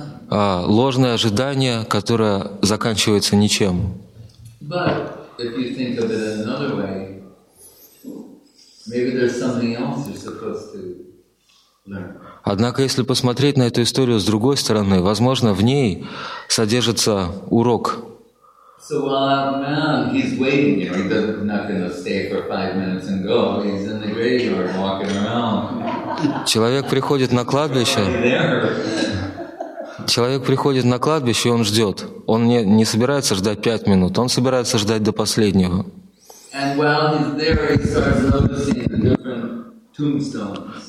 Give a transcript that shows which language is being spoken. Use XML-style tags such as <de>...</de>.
<ru>Ложное ожидание, которое заканчивается ничем.</ru> <en>But if you think of it in another way, maybe there's something else you're supposed to learn.</en> <ru>Однако, если посмотреть на эту историю с другой стороны, возможно, в ней содержится урок.</ru> <en>So, man, he's waiting, you know, he's not going to stay for 5 minutes and go. He's in the graveyard walking around.</en> <ru>Человек приходит на кладбище. Человек приходит на кладбище, и он ждет. Он не собирается ждать 5 минут, он собирается ждать до последнего.</ru> <en>And while he's there, he starts noticing the different tombstones.</en>